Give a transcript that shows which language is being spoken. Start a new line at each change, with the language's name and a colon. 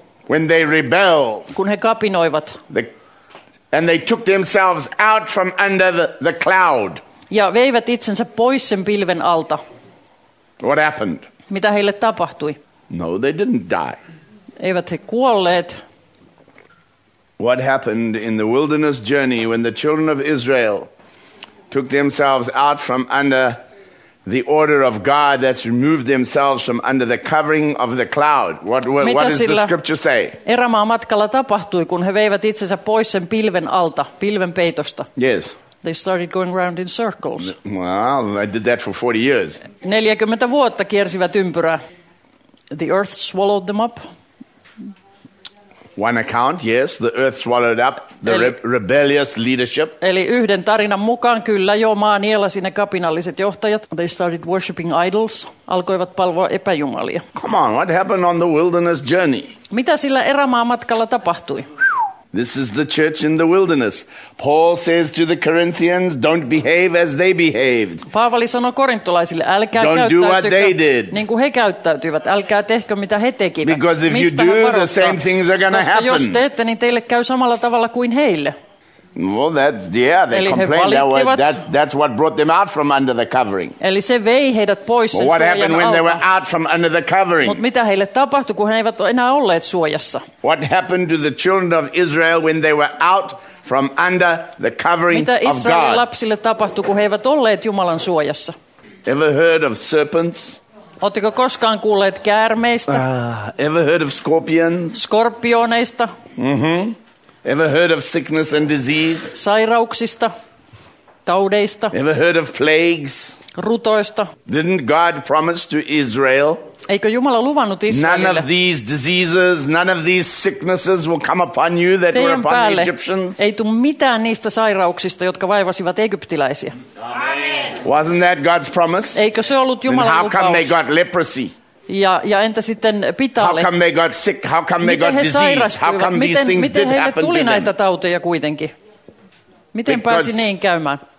English: When they rebelled.
Finnish: Kun he kapinoivat.
English: And they took themselves out from under the cloud.
Finnish: Ja veivät itsensä pois sen pilven alta.
English: What happened?
Finnish: Mitä heille tapahtui?
English: No, they didn't die.
Finnish: Eivät he kuolleet.
English: What happened in the wilderness journey when the children of Israel took themselves out from under the order of God, that's removed themselves from under the covering of the cloud. What does the scripture say?
Finnish: Erämaa matkalla tapahtui, kun he veivät itsensä pois sen pilven alta, pilven peitosta.
English: Yes. They started going round in circles. Well, they did that for 40 years.
Finnish: 40 vuotta kiersivät ympyrää.
English: The earth swallowed them up. One account, yes, the earth swallowed up the rebellious leadership.
Finnish: Eli yhden tarinan mukaan kyllä jo maa nielasi ne kapinalliset johtajat.
English: They started worshiping idols.
Finnish: Alkoivat palvoa epäjumalia.
English: Come on, what happened on the wilderness journey?
Finnish: Mitä sillä erämaa matkalla tapahtui?
English: This is the church in the wilderness. Paul says to the Corinthians, don't behave as they behaved.
Finnish: Paavali sanoi korintolaisille, älkää käyttäytykö niin kuin he käyttäytyivät. Älkää tehkö mitä he tekivät.
English: Because if you do, the same things are going to happen.
Finnish: Koska jos teette, niin teille käy samalla tavalla kuin heille.
English: Well, that, yeah, they
Finnish: eli
English: complained.
Finnish: He valittivat.
English: That's what brought them out from under the covering.
Finnish: Eli se vei heidät pois sen suojan alta.
English: What happened when they were out from under the covering?
Finnish: Mutta mitä heille tapahtui, kun he eivät enää olleet suojassa?
English: What happened to the children of Israel when they were out from under the covering of God?
Finnish: Mitä Israelin lapsille tapahtui, kun he eivät olleet Jumalan suojassa?
English: Ever heard of serpents?
Finnish: Oletteko koskaan kuulleet käärmeistä?
English: Ever heard of scorpions?
Finnish: Skorpioneista. Mm-hmm.
English: Ever heard of sickness and disease?
Finnish: Sairauksista, taudeista.
English: Ever heard of plagues?
Finnish: Rutoista.
English: Didn't God promise to Israel?
Finnish: Eikö Jumala luvannut Israelille?
English: None of these diseases, none of these sicknesses will come upon you that were upon
Finnish: päälle.
English: The Egyptians.
Finnish: Ei tule mitään niistä sairauksista, jotka vaivasivat egyptiläisiä.
English: Amen. Wasn't that God's promise?
Finnish: Eikö se ollut Jumalan lupaus?
English: How come they got leprosy?
Finnish: Ja entä sitten pitaalle?
English: How come they got sick? How come they got disease? How come these things did happen to them?
Finnish: Miten tuli näitä tauteja kuitenkin? Miten pääsi niin käymään?